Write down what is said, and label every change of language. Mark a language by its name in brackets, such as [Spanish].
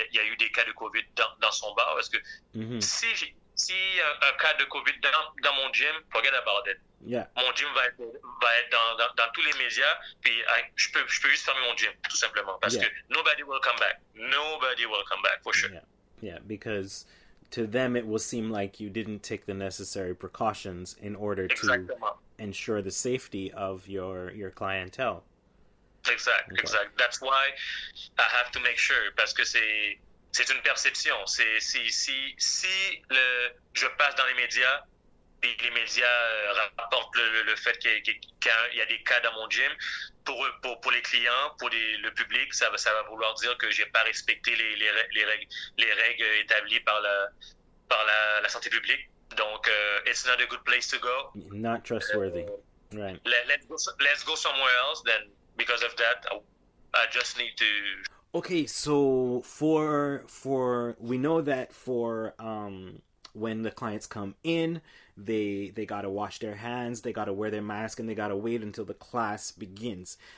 [French] Il y a eu des cas de COVID dans son bar. Parce que si un cas de COVID dans mon gym, [English] forget about it. Yeah. [French] Mon gym va être dans tous les médias, puis je peux juste fermer mon gym, tout simplement, parce que [English] nobody will come back. Nobody will come back, for sure. Yeah, because to them it will seem like you didn't take the necessary precautions in order to ensure the safety of your clientele. Exactly. That's why I have to make sure, [French] parce que c'est une perception. Si je passe dans les médias, puis les médias rapportent le fait qu'il y a des cas dans mon gym, pour les clients, pour le public, ça va vouloir dire que j'ai pas respecté les règles établies par la santé publique. Donc, [English] it's not a good place to go. Not trustworthy. Let's go somewhere else. Then, because of that, I just need to. Okay, so for we know that for when the clients come in, they got to wash their hands, they got to wear their mask, and they got to wait until the class begins.